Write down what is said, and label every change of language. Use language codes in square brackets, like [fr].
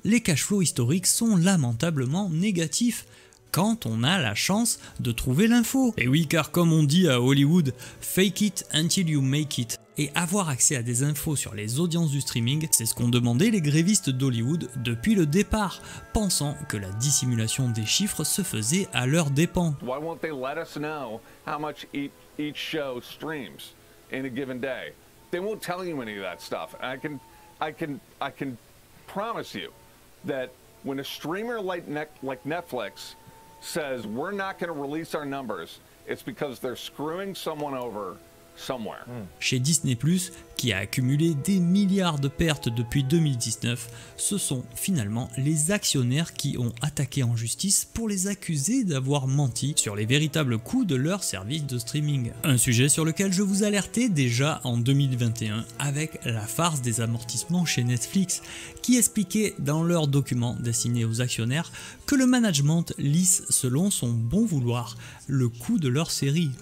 [fr] Les cash flows historiques sont lamentablement négatifs quand on a la chance de trouver l'info. Et oui, car comme on dit à Hollywood, [en] fake it until you make it. [fr] Et avoir accès à des infos sur les audiences du streaming, c'est ce qu'ont demandé les grévistes d'Hollywood depuis le départ, pensant que la dissimulation des chiffres se faisait à leurs dépens. [en] Why won't they let us know how much each show streams in a given day? They won't tell you any of that stuff. I can promise you that when a streamer like Netflix says we're not going to release our numbers, it's because they're screwing someone over. [fr] Chez Disney+, qui a accumulé des milliards de pertes depuis 2019, ce sont finalement les actionnaires qui ont attaqué en justice pour les accuser d'avoir menti sur les véritables coûts de leur service de streaming. Un sujet sur lequel je vous alertais déjà en 2021 avec la farce des amortissements chez Netflix, qui expliquait dans leur document destiné aux actionnaires que le management lisse selon son bon vouloir le coût de leur série.